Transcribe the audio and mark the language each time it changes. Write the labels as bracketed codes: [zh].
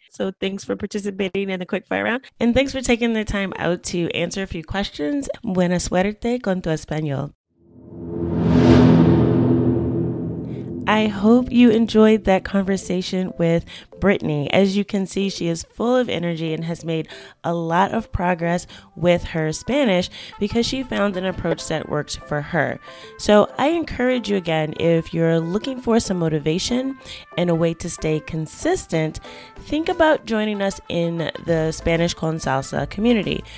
[en] So thanks for participating in the quick fire round. And thanks for taking the time out to answer a few questions. [es] Buena suerte con tu español. [en] I hope you enjoyed that conversation with Brittany. As you can see, she is full of energy and has made a lot of progress with her Spanish because she found an approach that works for her. So I encourage you again, if you're looking for some motivation and a way to stay consistent, think about joining us in the Spanish Con Salsa community.